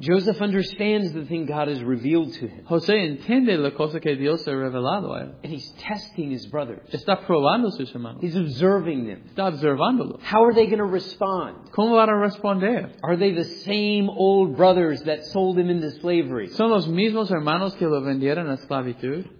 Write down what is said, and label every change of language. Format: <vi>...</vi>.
<en>Joseph understands the thing God has revealed to him.</en> <es>José entiende la cosa que Dios ha revelado a él.</es> <en>And he's testing his brothers.</en> <es>Está probando sus hermanos.</es> <en>He's observing them.</en> <es>Está observándolo.</es> <en>How are they going to respond?</en> <es>¿Cómo van a responder?</es> <en>Are they the same old brothers that sold him into slavery?</en> <es>¿Son los mismos hermanos que lo vendieron a esclavitud?</es>